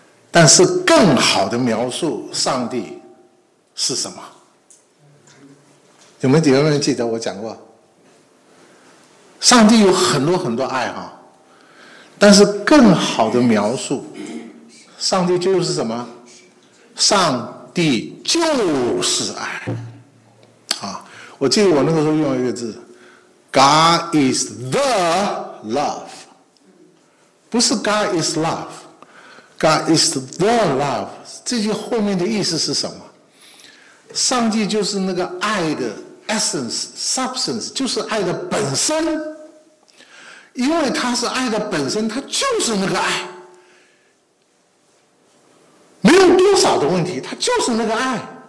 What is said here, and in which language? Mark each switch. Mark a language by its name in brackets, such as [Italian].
[Chinese] 但是更好的描述上帝是什么？有没有人记得我讲过？上帝有很多很多爱哈，但是更好的描述上帝就是什么？上帝就是爱啊！我记得我那个时候用一个字 [English] God is the love， [Chinese] 不是 [English] God is love， God is the love。 [Chinese] 这句后面的意思是什么？上帝就是那个爱的 [English] essence substance， [Chinese] 就是爱的本身。因为他是爱的本身，他就是那个爱，没有多少的问题，他就是那个爱。